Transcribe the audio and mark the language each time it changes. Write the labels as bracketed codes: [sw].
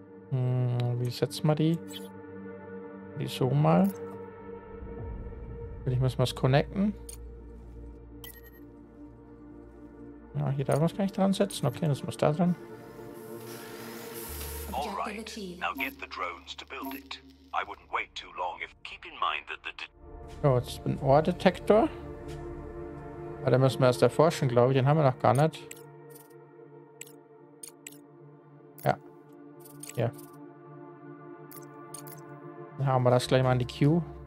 [de] Wie setzen wir die? Die so mal. Ich muss mal es connecten. Ja, hier darf man es gar nicht dran setzen. Okay, das muss da dran. [en] Alright, now get the drones to build it. I wouldn't wait too long if keep in mind that the. [de] So, jetzt ist ein Ohrdetektor. Aber den müssen wir erst erforschen, glaube ich. Den haben wir noch gar nicht. Ja. Ja. Dann haben wir das gleich mal in die Queue.